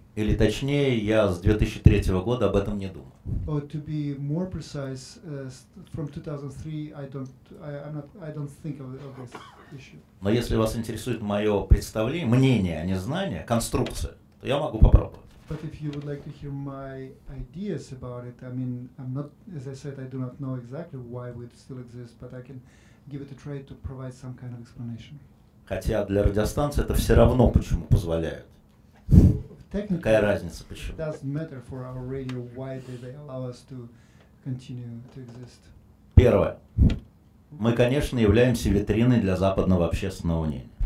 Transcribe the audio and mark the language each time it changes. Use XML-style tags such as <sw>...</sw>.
<ru>Или точнее, я с 2003 года об этом не думал.</ru> <en>Or to be more precise, from 2003 I don't think of this issue.</en> <ru>Но если вас интересует мое представление, мнение, а не знание, конструкция, то я могу попробовать.</ru> <en>But if you would like to hear my ideas about it, I mean, I'm not, as I said, I do not know exactly why it still exists, but I can give it a try to provide some kind of explanation.</en> <ru>Хотя для радиостанции это все равно, почему позволяют. Какая разница, почему?</ru> <en>It doesn't matter for our radio why they allow us to continue to exist.</en> <ru>Первое. Мы, конечно, являемся витриной для западного общественного мнения.</ru>